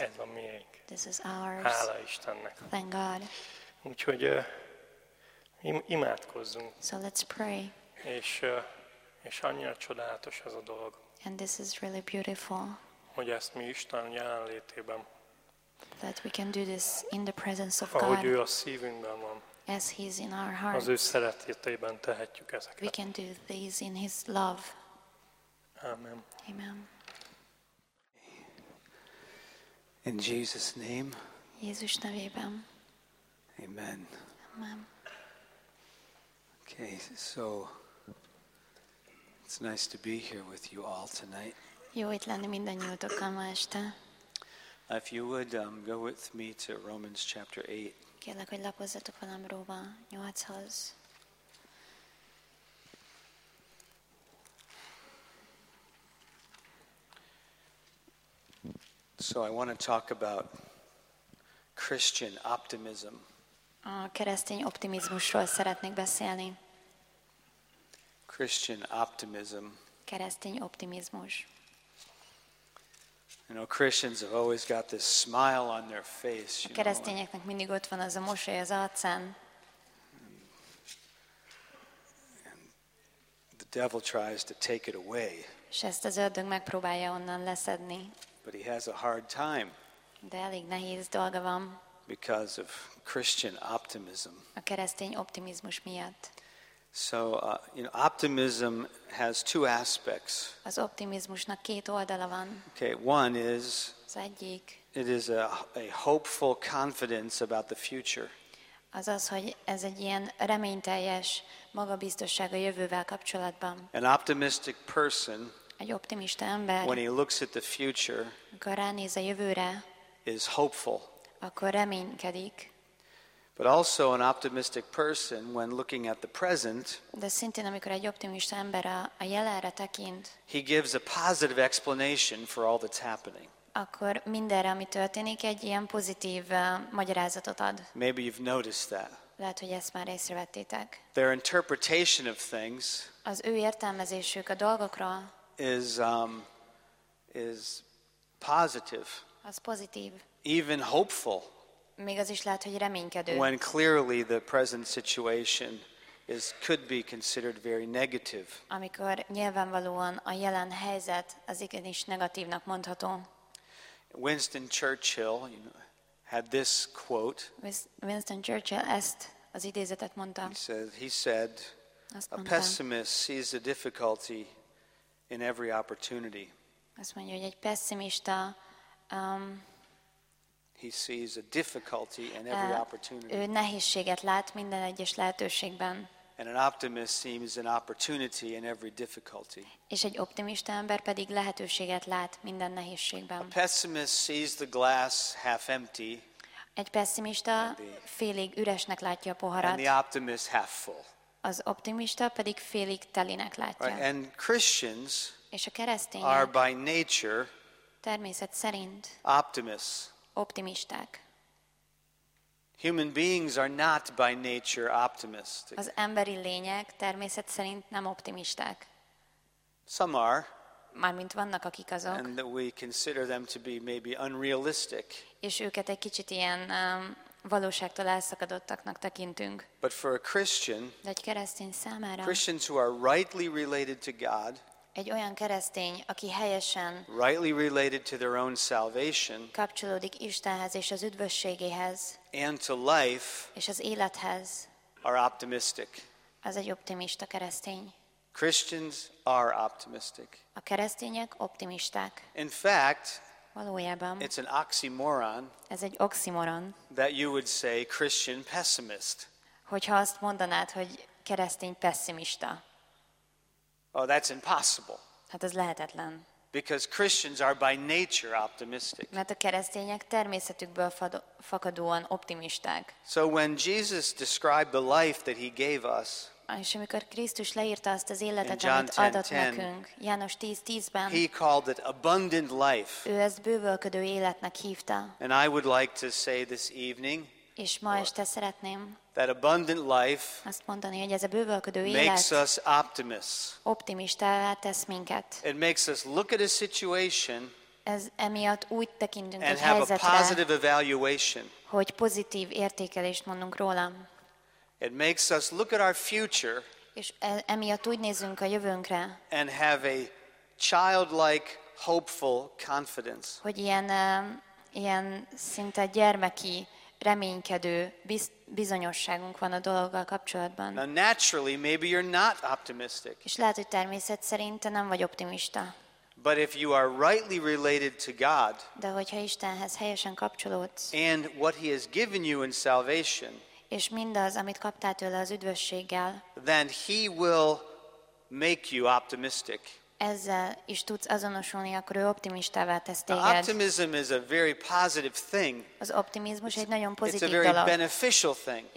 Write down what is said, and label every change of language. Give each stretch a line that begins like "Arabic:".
Hungarian: Ez a miénk.
English: This is ours.
Hungarian: Hála Istennek.
English: Thank God.
Hungarian: Úgyhogy imádkozzunk.
English: So let's pray.
Hungarian: És annyira csodálatos ez a dolog.
English: And this is really beautiful.
Hungarian: Hogy ezt mi Isten jelenlétében
English: That we can do this in the presence of
Hungarian: ahogy
English: God.
Hungarian: Ő a szívünkben van.
English: As he is in our hearts.
Hungarian: Az ő szeretetében tehetjük ezeket.
English: We can do these in his love.
Hungarian: Amen.
English: Amen. In Jesus' name.
Hungarian: Jézus nevében. Amen.
English: Amen. Okay, so it's nice to be here with you all tonight.
Hungarian: Jó itt lenni mindannyiótokkal ma este.
English: If you would go with me to Romans chapter 8.
Hungarian: Kérlek, hogy lapozzatok velem Róma 8-hoz.
English: So I want to talk about Christian optimism.
Hungarian: A keresztény optimizmusról szeretnék beszélni.
English: Christian optimism.
Hungarian: Keresztény optimizmus.
English: You know, Christians have always got this smile on their face.
Hungarian: A keresztényeknek mindig ott van az a mosoly az arcán.
English: And the devil tries to take it away.
Hungarian: És ezt az ördög megpróbálja onnan leszedni.
English: But he has a hard time.
Hungarian: De elég nehéz dolga van.
English: Because of Christian optimism.
Hungarian: A keresztény optimizmus miatt.
English: So, you know, optimism has two aspects.
Hungarian: Az optimizmusnak két oldala van.
English: Okay, one is.
Hungarian: Az egyik.
English: It is a hopeful confidence about the future.
Hungarian: Az az, hogy ez egy ilyen reményteljes magabiztosság a jövővel kapcsolatban.
English: An optimistic person.
Hungarian: Egy optimista ember.
English: When he looks at the future.
Hungarian: Amikor ránéz a jövőre.
English: Is hopeful.
Hungarian: Akkor reménykedik.
English: But also an optimistic person when looking at the present.
Hungarian: De szintén amikor egy optimista ember a jelenre tekint.
English: He gives a positive explanation for all that's happening.
Hungarian: Akkor mindenre, ami történik, egy ilyen pozitív magyarázatot ad.
English: Maybe you've noticed that.
Hungarian: Lehet, hogy ezt már észrevettétek.
English: Their interpretation of things.
Hungarian: Az ő értelmezésük a dolgokról.
English: Is positive.
Hungarian: Az pozitív.
English: Even hopeful.
Hungarian: Még az is lehet, hogy reménykedő.
English: When clearly the present situation is could be considered very negative.
Hungarian: Amikor nyilvánvalóan a jelen helyzet az igenis negatívnak mondható.
English: Winston Churchill, you know, had this quote.
Hungarian: Winston Churchill ezt az idézetet mondta.
English: He said, a pessimist sees the difficulty in every opportunity.
Hungarian: Azt mondja, hogy egy pessimista
English: he sees a difficulty in every opportunity.
Hungarian: Ő nehézséget lát minden egyes lehetőségben.
English: And an optimist sees an opportunity in every difficulty.
Hungarian: És egy optimista ember pedig lehetőséget lát minden nehézségben.
English: A pessimist sees the glass half empty.
Hungarian: Egy pessimista félig üresnek látja a poharat.
English: And the optimist half full.
Hungarian: Az optimista pedig félig telinek látja.
English: Right. And Christians
Hungarian: és a keresztények
English: are by nature
Hungarian: természet szerint
English: optimists.
Hungarian: Optimisták.
English: Human beings are not by nature optimistic.
Hungarian: Az emberi lények természet szerint nem optimisták.
English: Some are.
Hungarian: Mármint vannak akik azok.
English: And we consider them to be maybe unrealistic.
Hungarian: És őket egy kicsit ilyen valóságtól elszakadottaknak tekintünk.
English: But for a Christian,
Hungarian: de egy keresztény számára,
English: Christians who are rightly related to God,
Hungarian: egy olyan keresztény, aki helyesen
English: rightly related to their own salvation,
Hungarian: kapcsolódik Istenhez és az üdvösségéhez,
English: and to life,
Hungarian: és az élethez,
English: are optimistic.
Hungarian: Az egy optimista keresztény.
English: Christians are optimistic.
Hungarian: A keresztények optimisták.
English: In fact,
Hungarian: valójában,
English: it's an oxymoron,
Hungarian: ez egy oxymoron,
English: that you would say Christian pessimist.
Hungarian: Hogyha azt mondanád, hogy keresztény pessimista.
English: Oh, that's impossible.
Hungarian: Hát ez lehetetlen.
English: Because Christians are by nature optimistic.
Hungarian: Mert a keresztények természetükből fakadóan optimisták.
English: So when Jesus described the life that he gave us,
Hungarian: és amikor Krisztus leírta azt az életet, amit adott nekünk, János 10:10-ben,
English: he called it abundant life.
Hungarian: Ő ezt bővölködő életnek hívta.
English: And I would like to say this evening,
Hungarian: és ma este szeretném
English: that abundant life
Hungarian: azt mondani, hogy ez a bővölködő élet
English: makes us optimists.
Hungarian: Optimistává tesz minket.
English: It makes us look at a situation
Hungarian: ez emiatt úgy tekintünk
English: and have a positive evaluation.
Hungarian: Hogy pozitív értékelést mondunk róla.
English: It makes us look at our future
Hungarian: és emiatt úgy nézünk a jövőnkre
English: and have a childlike hopeful confidence.
Hungarian: Hogy ilyen ilyen szinte gyermeki, reménykedő bizonyosságunk van a dologgal kapcsolatban.
English: Now, naturally, maybe you're not optimistic.
Hungarian: És lehet, hogy természet szerint te nem vagy optimista.
English: But if you are rightly related to God,
Hungarian: de hogyha Istenhez helyesen kapcsolódsz,
English: and what he has given you in salvation,
Hungarian: és mindaz, amit kaptál tőle az üdvösséggel,
English: then he will make you optimistic.
Hungarian: Ezzel is tudsz azonosulni, akkor ő optimistává tesz téged.
English: Optimism is a very positive thing.
Hungarian: Az optimizmus egy nagyon pozitív dolog.
English: It's a very beneficial thing.